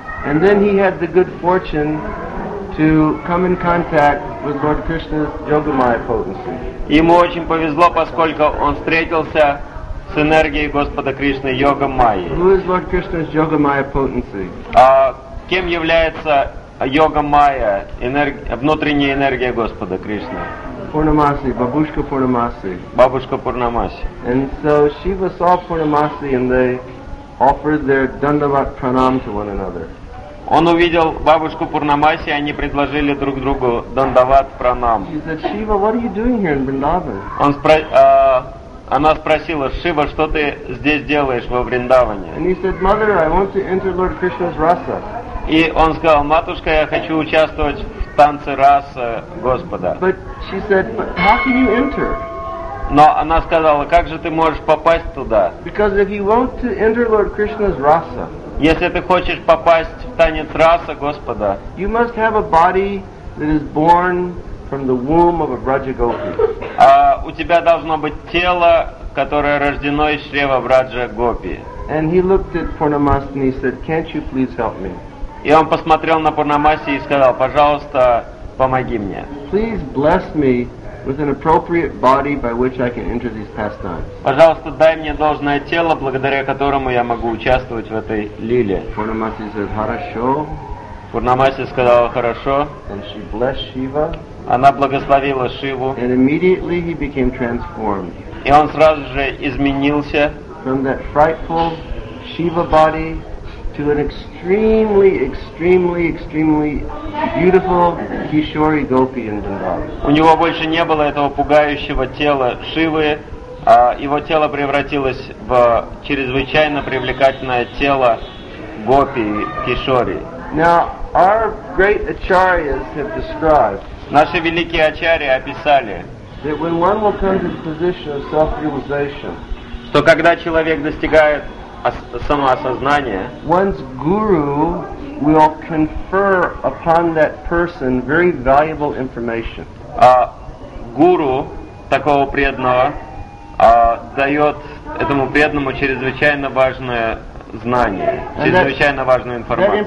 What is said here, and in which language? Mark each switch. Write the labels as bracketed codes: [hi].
[en] And then he had the good fortune to come in contact with Lord Krishna's Yogamaya potency. [ru] Ему очень повезло, поскольку он встретился с энергией Господа Кришны Йогамайи. [en] Who is Lord Krishna's Yogamaya potency? [ru] Кем является Йогамайя, внутренняя энергия Господа Кришны? Пурнамаси, бабушка Пурнамаси. Бабушка Пурнамаси. [en] And so Shiva saw Пурнамаси and they offered their dandavat pranam to one another. [ru] Он увидел бабушку Пурнамаси, они предложили друг другу дандават пранам. [en] Said, Shiva, what are you doing here in Vrindavan? [ru] Она спросила: Шива, что ты здесь делаешь во Вриндаване? [en] And he said, Mother, I want to enter Lord Krishna's Rasa. [ru] И он сказал: Матушка, я хочу участвовать в танце Раса Господа. [en] But she said, but how can you enter? [ru] Но она сказала: Как же ты можешь попасть туда? [en] Because if you want to enter Lord Krishna's Rasa, [ru] если ты хочешь попасть в танец Раса Господа, [en] you must have a body that is born from the womb of a Braja Gopi. [ru] У тебя должно быть тело, которое рождено из чрева Браджа Гопи. [en] And he looked at Purnamasi and he said, "Can't you please help me?" [ru] И он посмотрел на Пурнамаси и сказал: "Пожалуйста, помоги мне." [en] Please bless me with an appropriate body by which I can enter these pastimes. [ru] Пожалуйста, дай мне должное тело, благодаря которому я могу участвовать в этой лиле. [en] Пурнамаси said, [ru] "Хорошо." Пурнамаси сказала: "Хорошо." [en] And she blessed Shiva. [ru] Она благословила Шиву. [en] And immediately he became transformed. [ru] И он сразу же изменился. [en] From that frightful Shiva body to an extremely, extremely, extremely beautiful Kishori Gopi in Vrindavan. [ru] У него больше не было этого пугающего тела Шивы, а его тело превратилось в чрезвычайно привлекательное тело Гопи Кишори. [en] Now, our great acharyas have described. [ru] Наши великие ачарьи описали. [en] That when one will come to the position of self-realization. [ru] Что когда человек достигает самоосознание. [en] One's guru will confer upon that person very valuable information. [ru] Гуру такого преданного дает этому преданному чрезвычайно важное знание, чрезвычайно важную информацию.